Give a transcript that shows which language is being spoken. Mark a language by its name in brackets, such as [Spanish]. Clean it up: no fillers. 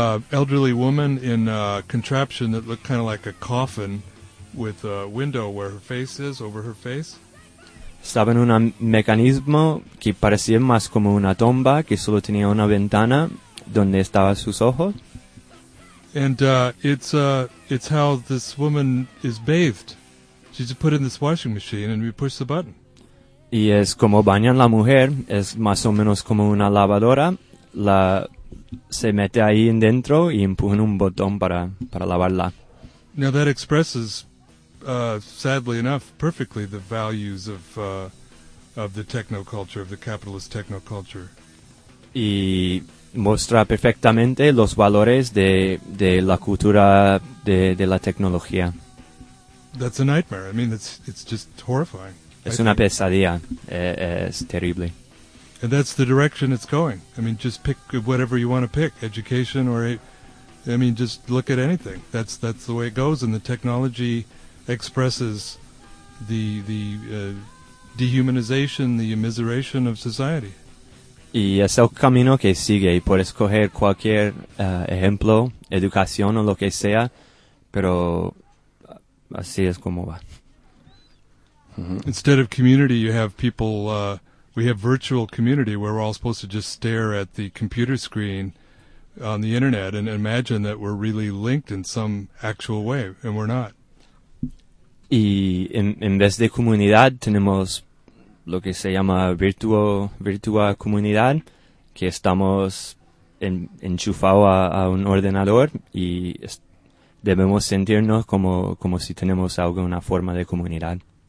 [English] Elderly woman in a contraption that looked kind of like a coffin with a window where her face is, over her face. [Spanish] Estaba en un mecanismo que parecía más como una tumba, que solo tenía una ventana donde estaban sus ojos. [English] And it's how this woman is bathed. She's put in this washing machine and we push the button. [Spanish] Y es como bañan la mujer, es más o menos como una lavadora. Se mete ahí dentro y empujan un botón para lavarla. [English] Now that expresses, sadly enough, perfectly the values of the technoculture, of the capitalist technoculture. [Spanish] Y muestra perfectamente los valores de la cultura de la tecnología. [English] That's a nightmare. I mean, it's just horrifying. [Spanish] Es una pesadilla. Es terrible. [English] And that's the direction it's going. I mean, just pick whatever you want to pick, education or, just look at anything. That's the way it goes, and the technology expresses the dehumanization, the immiseration of society. [Spanish] Y es el camino que sigue. Puedes coger cualquier ejemplo, educación o lo que sea, pero... Así es como va. [English] Instead of community, you have people, we have virtual community where we're all supposed to just stare at the computer screen on the internet and imagine that we're really linked in some actual way, and we're not. [Spanish] Y en vez de comunidad, tenemos lo que se llama virtual comunidad, que estamos enchufados a un ordenador y debemos sentirnos como si tenemos alguna forma de comunidad.